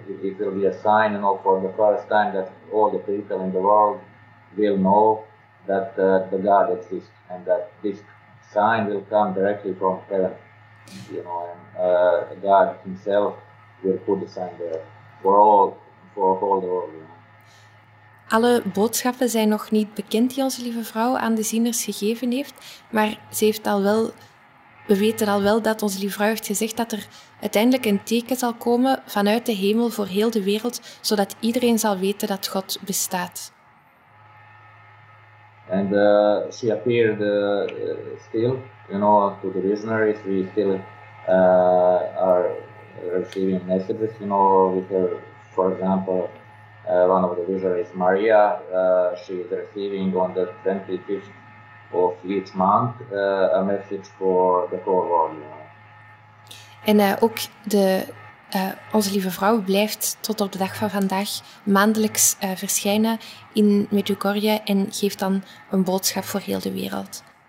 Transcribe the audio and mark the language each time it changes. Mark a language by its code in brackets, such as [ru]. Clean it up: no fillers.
[en] It will be a sign, you know, for the first time that all the people in the world will know that the God exists, and that this sign will come directly from heaven, you know, and God himself will put the sign there for all the world, you know. [nl] Alle boodschappen zijn nog niet bekend die onze lieve vrouw aan de zieners gegeven heeft, maar ze heeft al wel, we weten al wel dat onze lieve vrouw heeft gezegd dat er uiteindelijk een teken zal komen vanuit de hemel voor heel de wereld, zodat iedereen zal weten dat God bestaat. En ze [en] appeared still, you know, to the visionaries. We still are receiving messages, you know, with her, for example. One of the visionaries, Maria, she is receiving on the 25th of each month a message for the whole world. You know. [nl] En ook de Onze Lieve Vrouw blijft tot op de dag van vandaag maandelijks verschijnen in Medjugorje en geeft dan een boodschap voor heel de wereld.